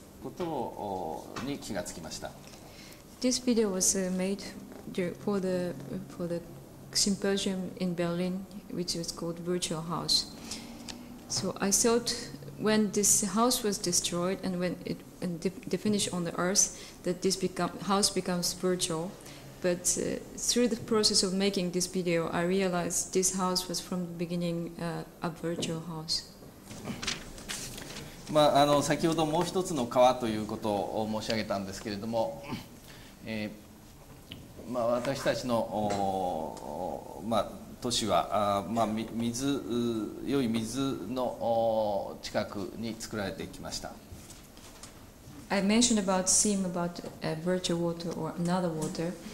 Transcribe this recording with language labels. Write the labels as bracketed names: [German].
[Japanese] ことに気がつきました。 [English] This video was made for the symposium in Berlin, which was called Virtual House. So I thought when this house was destroyed and when it finished on the earth, that this house becomes virtual. But through the process of making this video, I realized this house was from the beginning a virtual house. [Japanese] まあ、あの先ほどもう一つの川ということを申し上げたんですけれども、まあ、私たちの、まあ、都市は、まあ、水良い水の近くに作られてきました。 [English] I mentioned about theme about virtual water or another water.